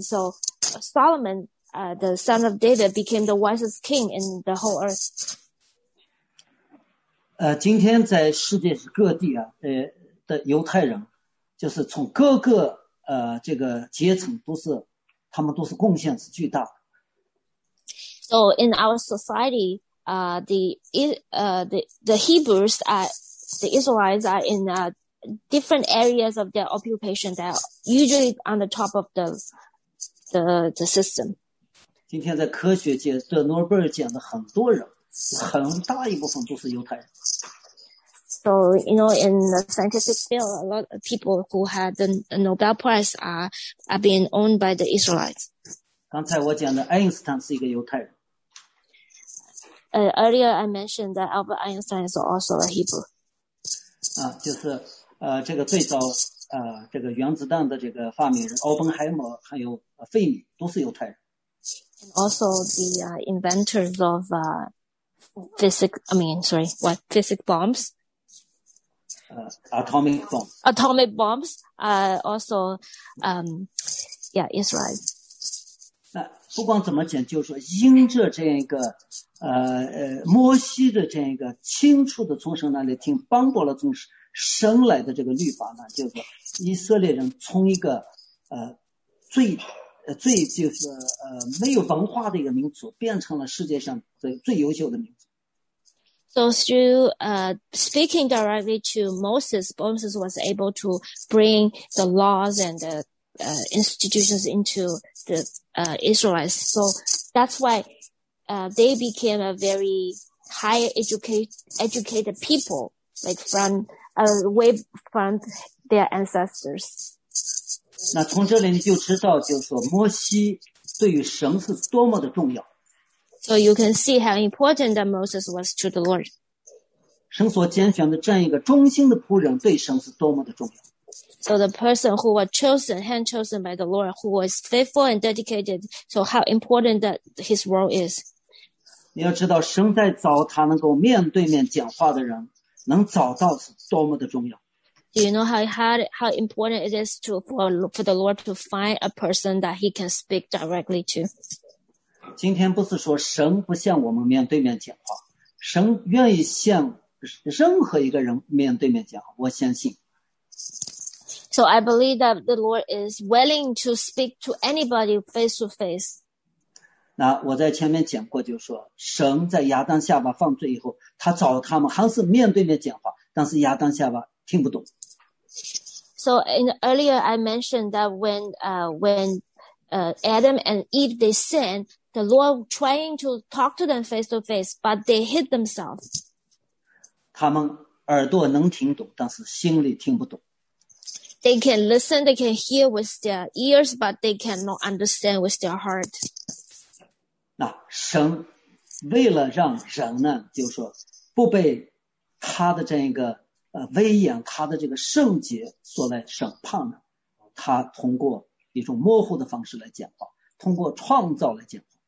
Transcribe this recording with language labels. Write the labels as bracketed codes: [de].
[en] So Solomon, the son of David, became the wisest king in the whole earth. [zh] 今天在世界各地啊，的犹太人，就是从各个这个阶层都是他们都是贡献是巨大的。 [en] So in our society, the Hebrews are the Israelites are in different areas of their occupation that are usually on the top of the system. [zh] 今天在科学界，这诺贝尔奖的很多人，很大一部分都是犹太人。 [en] So, you know, in the scientific field, a lot of people who had the Nobel Prize are being owned by the Israelites. [zh] 刚才我讲的爱因斯坦是一个犹太人。 [en] Earlier I mentioned that Albert Einstein is also a Hebrew. [zh] 啊，就是这个最早这个原子弹的这个发明人奥本海默还有费米都是犹太人。 [en] And also the inventors of physics bombs. Atomic bombs are also, Israel. [zh] 那不管怎么讲，就是说，因着这样一个，摩西的这样一个清楚的从神那里听，颁布了从神来的这个律法呢，就是以色列人从一个最就是没有文化的一个民族，变成了世界上最优秀的民族。 [en] So through speaking directly to Moses, Moses was able to bring the laws and the institutions into the Israelites. So that's why they became a very high educated people, like from way from their ancestors. [zh] 那从这里你就知道，就是说摩西对于神是多么的重要。 [en] So you can see how important that Moses was to the Lord. [zh] 神所拣选的这样一个忠心的仆人对神是多么的重要。 [en] So the person who was chosen, hand chosen by the Lord, who was faithful and dedicated, so how important that his role is. [zh] 你要知道神在找他能够面对面讲话的人能找到是多么的重要。 [en] Do you know how important it is for the Lord to find a person that he can speak directly to? [zh] 今天不是说神不向我们面对面讲话，神愿意向任何一个人面对面讲话，我相信。 [en] So I believe that the Lord is willing to speak to anybody face to face. [zh] 那我在前面讲过，就是说神在亚当夏娃犯罪以后，他找他们还是面对面讲话，但是亚当夏娃听不懂。 [en] So earlier I mentioned that when Adam and Eve they sinned. The Lord trying to talk to them face to face, but they hid themselves. [zh] 他们耳朵能听懂，但是心里听不懂。 [en] They can listen, they can hear with their ears, but they cannot understand with their heart. [zh] 那神为了让人呢，就是说不被他的这样一个威严，他的这个圣洁所来审判呢，他通过一种模糊的方式来讲话，通过创造来讲话。